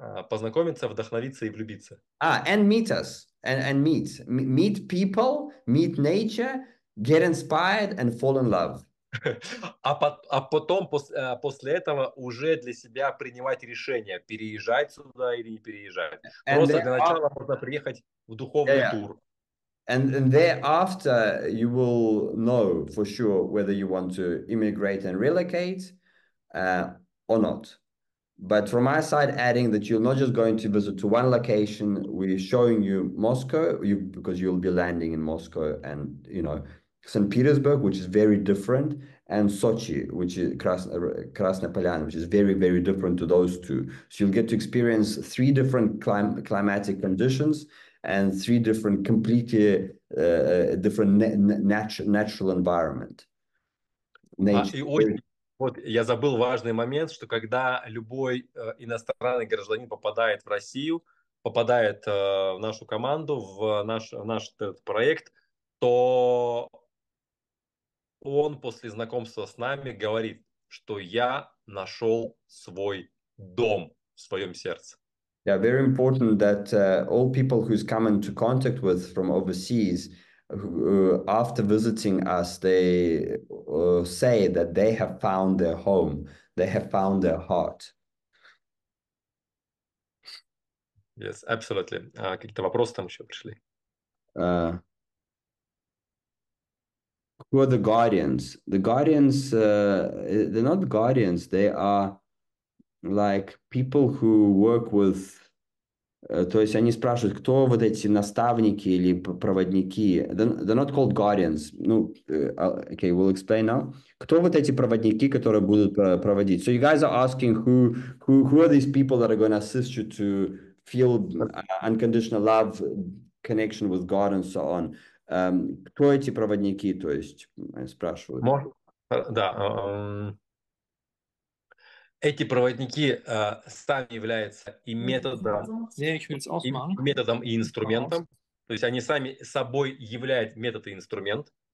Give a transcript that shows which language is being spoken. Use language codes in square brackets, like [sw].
[ru] Познакомиться, вдохновиться и влюбиться. [en] And meet us, and meet people, meet nature, get inspired and fall in love. [ru] А потом после этого уже для себя принимать решение, переезжать сюда или не переезжать. [en] And [ru] просто для начала можно приехать в духовный тур. [en] And thereafter you will know for sure whether you want to immigrate and relocate or not. But from my side, adding that you're not just going to visit to one location, we're showing you Moscow, because you'll be landing in Moscow and, you know, St. Petersburg, which is very different, and Sochi, which is Krasna Polyana, which is very, very different to those two. So you'll get to experience three different climatic conditions and three different, completely different natural environment. [ru] Вот я забыл важный момент, что когда любой иностранный гражданин попадает в Россию, попадает в нашу команду, в наш этот проект, то он после знакомства с нами говорит, что я нашел свой дом в своем сердце. [en] Yeah, very important that all people who's come into contact with from overseas, who, after visiting us, they say that they have found their home, they have found their heart. Yes, absolutely. [ru] Какие-то вопросы там еще пришли? [en] Who are the guardians? The guardians, they're not guardians. They are like people who work with. [ru] То есть они спрашивают, кто вот эти наставники или проводники? [en] They're not called guardians. Ну, okay, we'll explain now. [ru] Кто вот эти проводники, которые будут проводить? [en] So you guys are asking who are these people that are going to assist you to feel unconditional love, connection with God and so on. [ru] Кто эти проводники, то есть, спрашивают? Да. Эти проводники сами являются и методом, и инструментом. То есть они сами собой являют метод и инструмент.